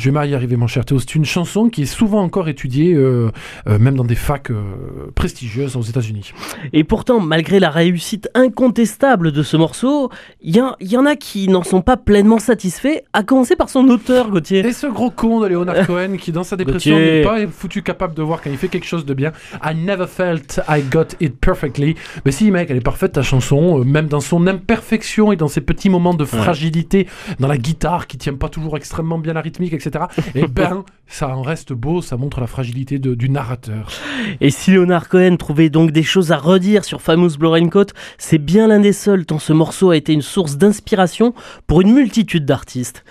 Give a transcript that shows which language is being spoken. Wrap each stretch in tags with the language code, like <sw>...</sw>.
<fr>Je vais m'y arriver, mon cher Théo. C'est une chanson qui est souvent encore étudiée, même dans des facs prestigieuses aux États-Unis. Et pourtant, malgré la réussite incontestable de ce morceau, il y en a qui n'en sont pas pleinement satisfaits, à commencer par son auteur, Gauthier. Et ce gros con de Leonard Cohen qui, dans sa dépression, Gauthier, n'est pas foutu capable de voir quand il fait quelque chose de bien.</fr> <en>I never felt I got it perfectly.</en> <fr>Mais si, mec, elle est parfaite, ta chanson, même dans son imperfection et dans ses petits moments de fragilité. Agilité dans la guitare qui tient pas toujours extrêmement bien la rythmique, etc. Et ben, ça en reste beau, ça montre la fragilité du narrateur. Et si Leonard Cohen trouvait donc des choses à redire sur Famous Blue Raincoat, c'est bien l'un des seuls, tant ce morceau a été une source d'inspiration pour une multitude d'artistes.</fr>